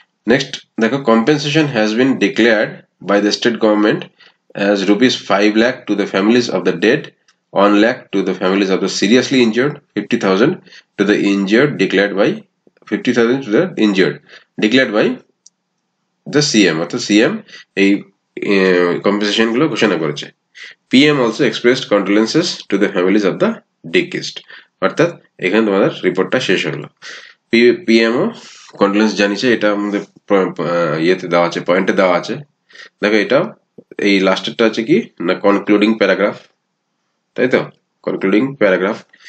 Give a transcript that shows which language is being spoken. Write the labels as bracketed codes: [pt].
[bn] Next দেখো, [en] compensation has been declared by the state government as ৫ lakh to the families of the dead, 1 lakh to the families of the seriously injured, 50,000 to the injured declared by 50,000 to the injured declared by the CM, [bn] অর্থাৎ CM এই compensation গুলো ঘোষণা করেছে। [en] PM also expressed condolences to the families of the deceased. [bn] অর্থাৎ এখানে তোমাদের রিপোর্টটা শেষ হলো, PM ও কন্ডোলেন্স জানিয়েছে, এটা আমাদের ইয়েতে দেওয়া আছে, পয়েন্টে দেওয়া আছে। দেখো এটা এই লাস্টেরটা আছে কি না, কনক্লুডিং প্যারাগ্রাফ, তাই তো, কনক্লুডিং প্যারাগ্রাফ।